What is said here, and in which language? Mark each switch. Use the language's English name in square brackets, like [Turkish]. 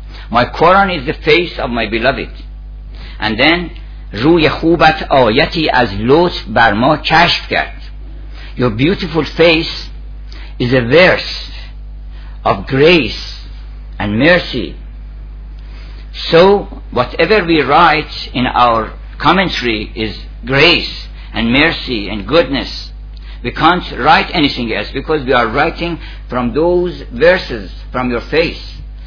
[English] My Quran is the face of my beloved. And then, [Persian] روی خوبت آیتی از لطف بر ما کشف کرد. [English] Your beautiful face is a verse of grace and mercy. So, whatever we write in our commentary is grace and mercy and goodness. We can't write anything else because we are writing from those verses, from your face.